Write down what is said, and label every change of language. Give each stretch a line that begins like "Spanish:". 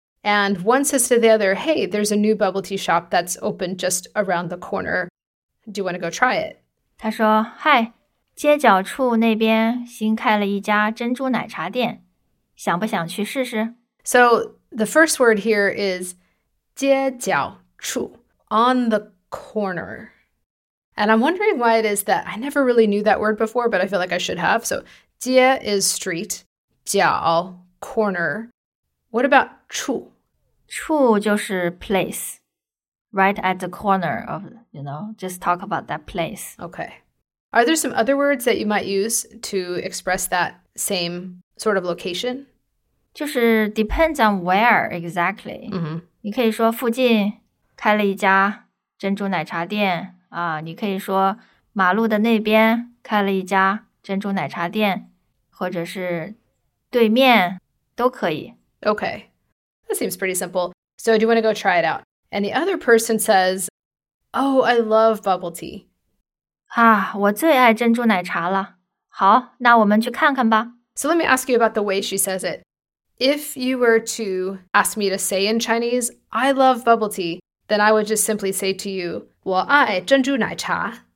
English: And one says to the other, hey, there's a new bubble tea shop that's open just around the corner. Do you want to go try it?
Chinese: 她说, Hi, 街角处那边新开了一家珍珠奶茶店。想不想去试试?
English: So the first word here is
Chinese: 街角处,
English: on the corner. And I'm wondering why it is that I never really knew that word before, but I feel like I should have. So 街 is street, 角, corner. What about 处?
Chinese: 处就是
English: place, right at the corner of, you know, just talk about that place. Okay. Are there some other words that you might use to express that same sort of location?
Chinese: 就是
English: depends on where exactly. Mm-hmm.
Chinese: 你可以说附近开了一家珍珠奶茶店。你可以说马路的那边开了一家珍珠奶茶店，或者是对面都可以。
English: Okay, that seems pretty simple. So do you want to go try it out? And the other person says, oh, I love bubble tea.
Chinese: 啊，我最爱珍珠奶茶了。好，那我们去看看吧。
English: So let me ask you about the way she says it. If you were to ask me to say in Chinese, I love bubble tea, then I would just simply say to you,
Chinese: 我爱珍珠奶茶。